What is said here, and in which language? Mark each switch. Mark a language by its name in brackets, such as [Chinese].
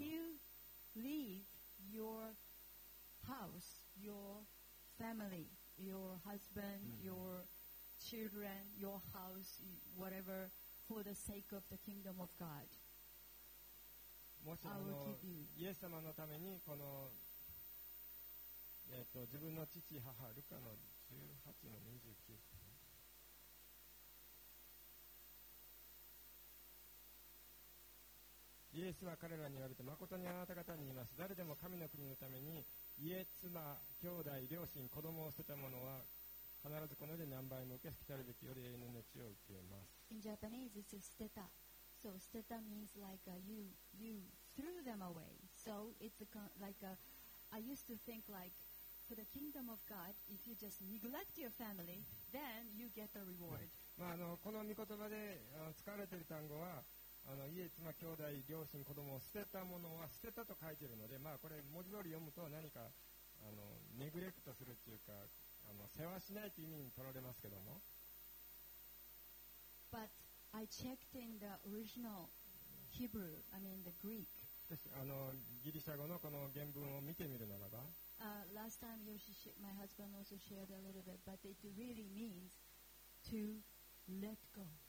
[English] If you leave your house, your family, your husband, your children, your house, whatever. For the sake of the kingdom of God, [Japanese] もしもイエス様のためにこの自分の父母ルカの18の29、 [English] Luke 18 to [Japanese] 30. イエスは彼らに言われて、まことにあなた方に言います。誰でも神の国のために家、妻、兄弟、両親、子供を捨てた者は必ずこの世で何倍も受け付けたるべきより永遠の地を受けます。 [English] In Japanese, it's a steta. So steta means like a you threw them away. So it's a, like a, I used to think like for the kingdom of God, if you just neglect your family, then you get the reward. [Japanese] まあこの御言葉で使われている単語は家、妻、兄弟、両親、子供を捨てたものは捨てたと書いているので、まあこれ文字通り読むと何かネグレクトするっていうか世話しないという意味に取られますけども。 [English] But I checked in the original Hebrew, I mean the Greek. [Japanese] ギリシャ語のこの原文を見てみるならば。 [English] Last time Yoshi, my husband also shared a little bit, but it really means to let go.